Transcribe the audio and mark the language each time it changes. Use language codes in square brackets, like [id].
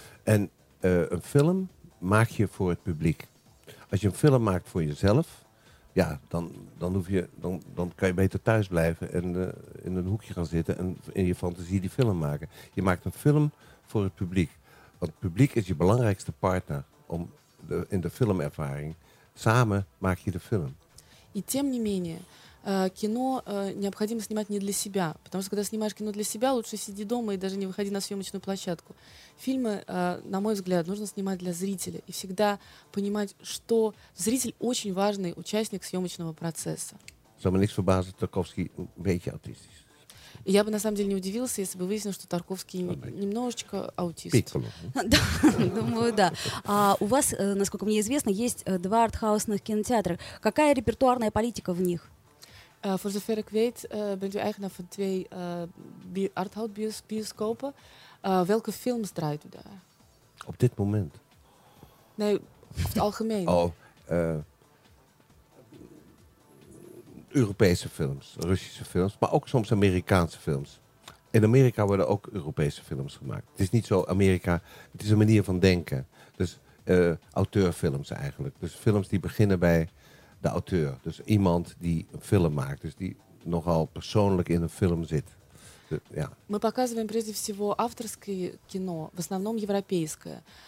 [nl] En een film maak je voor het publiek. Als je een film maakt voor jezelf, ja, dan kan je beter thuis blijven en in een hoekje gaan zitten en in je fantasie die film maken. Je maakt een film voor het publiek. Want het publiek is je belangrijkste partner om in de filmervaring. Samen maak je de film. [ru] И тем не менее, кино необходимо снимать не для себя. Потому что когда снимаешь кино для себя, лучше сиди дома и даже не выходи на съемочную площадку. Фильмы, на мой взгляд, нужно снимать для зрителя. И всегда понимать, что зритель очень важный участник съемочного процесса. [nl] Zou me niks verbazen, Tarkovsky een beetje autistisch. [ru] Я бы на самом деле не удивился, если бы выяснил, что Тарковский немножечко аутист. Да, думаю, да. А у вас, насколько мне известно, есть два артхаусных кинотеатра. Какая репертуарная политика в них? [nl] For the fair weet, bent u eigenaar van twee arthouse bioscopen. Welke films draait u daar? Op dit moment. Nee, op het algemeen. Europese films, Russische films, maar ook soms Amerikaanse films. In Amerika worden ook Europese films gemaakt. Het is niet zo Amerika, het is een manier van denken. Dus auteurfilms eigenlijk. Dus films die beginnen bij de auteur. Dus iemand die een film maakt. Dus die nogal persoonlijk in een film zit. Ja. [ru] Мы показываем прежде всего авторское кино, в основном европейское.